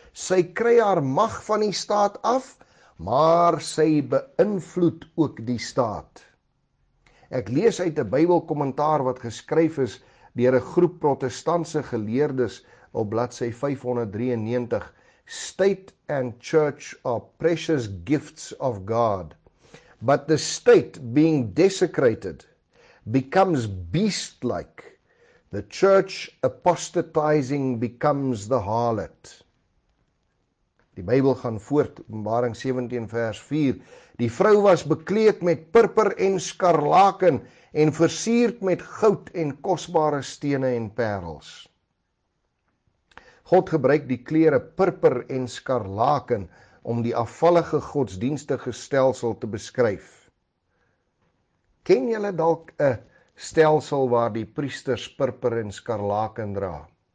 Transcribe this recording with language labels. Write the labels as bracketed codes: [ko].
[af] Sy kry haar mag van die staat af, maar sy beïnvloed ook die staat. Ek lees uit 'n Bybelkommentaar wat geskryf is deur 'n groep protestantse geleerdes op bladsy 593. [en] State and church are precious gifts of God, but the state being desecrated becomes beast-like. The church apostatizing becomes the harlot. [af] Die Bybel gaan voort, Openbaring 17 vers 4. Die vrou was bekleed met purper en skarlaken en versierd met goud en kosbare stene en perels. God gebruik die kleure purper en skarlaken om die afvallige godsdienstige stelsel te beskryf. Ken julle dalk 'n stelsel waar die priesters purper en skarlaken dra?